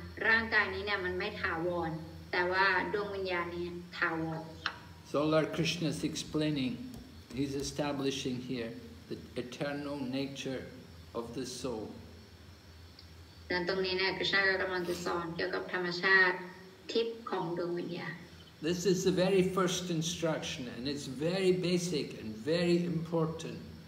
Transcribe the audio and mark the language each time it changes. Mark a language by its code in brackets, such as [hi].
[th] ร่างกายนี้เนี่ยมันไม่ถาวรแต่ว่าดวงวิญญาณนี้ถาวร [en] So Lord Krishna is explaining he's establishing here the eternal nature of the soul [th] ดังตรงนี้เนี่ยคริสต์ก็กำลังจะสอนเกี่ยวกับธรรมชาติทิพย์ของดวงวิญญาณ [en] This is the very first instruction and it's very basic and very important